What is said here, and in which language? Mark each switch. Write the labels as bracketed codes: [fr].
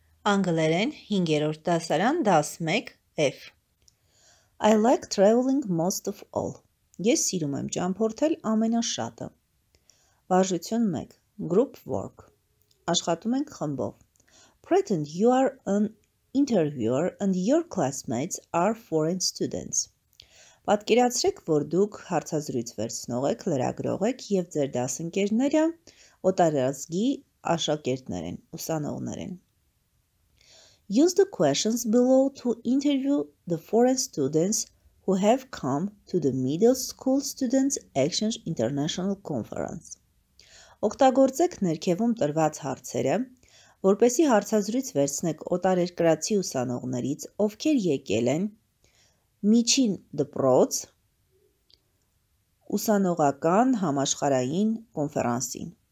[hy] Անգլերեն 5-րդ դասարան, դաս 1, F. [en] I like traveling most of all. [hy] Ես սիրում եմ ճամփորդել ամենաշատը. Վարժություն 1. [en] Group work. [hy] Աշխատում ենք խմբով. [en] Pretend you are an interviewer and your classmates are foreign students. [hy] Պատկերացրեք, որ դուք հարցազրույց վերցնող եք, լրագրող եք եւ ձեր դասընկերները օտարերազգի աշակերտներ են, ուսանողներ են. [en] Use the questions below to interview the foreign students who have come to the Middle School Students Exchange International Conference. [hy] Օգտագործեք ներքևում տրված հարցերը, որպեսի հարցազրույց վերցնեք օտարերկրացի ուսանողներից, ովքեր եկել են միջին դպրոց ուսանողական համաշխարային կոնֆերանսին.